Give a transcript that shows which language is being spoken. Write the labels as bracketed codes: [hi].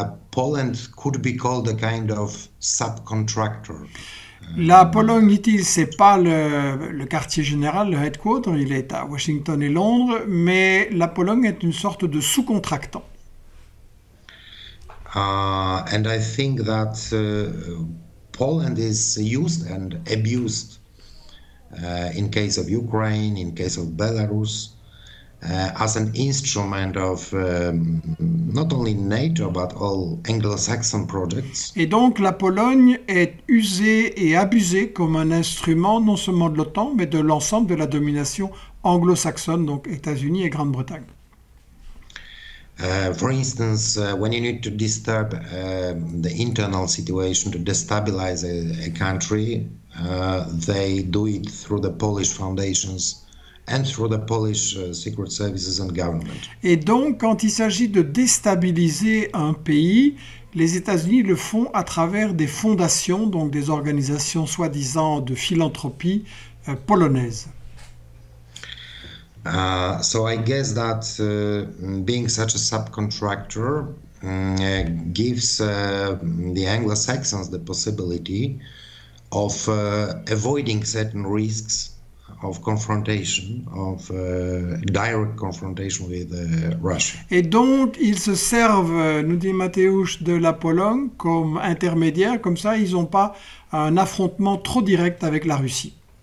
[en] Poland could be called a kind of subcontractor. [fr] La Pologne-Litovsk, ce n'est pas le quartier général, le headquarter, il est à Washington et Londres, mais la Pologne est une sorte de sous-contractant. [en] And I think that Poland is used and abused. In case of Ukraine, in case of Belarus, as an instrument of not only NATO but all Anglo-Saxon projects. [fr] Et donc la Pologne est usée et abusée comme un instrument non seulement de l'OTAN mais de l'ensemble de la domination anglo-saxonne, donc États-Unis et Grande-Bretagne. [en] For instance, when you need to disturb the internal situation, to destabilize a country, they do it through the Polish foundations and through the Polish secret services and government. [fr] Et donc, quand il s'agit de déstabiliser un pays, les États-Unis le font à travers des fondations, donc des organisations soi-disant de philanthropie polonaise. [en] So I guess that being such a subcontractor gives the Anglo-Saxons the possibility of avoiding certain risks of confrontation, of direct confrontation with Russia. [fr] Et donc ils se servent, nous dit Mateusz, de la Pologne comme intermédiaire, comme ça ils n'ont pas un affrontement trop direct avec la Russie.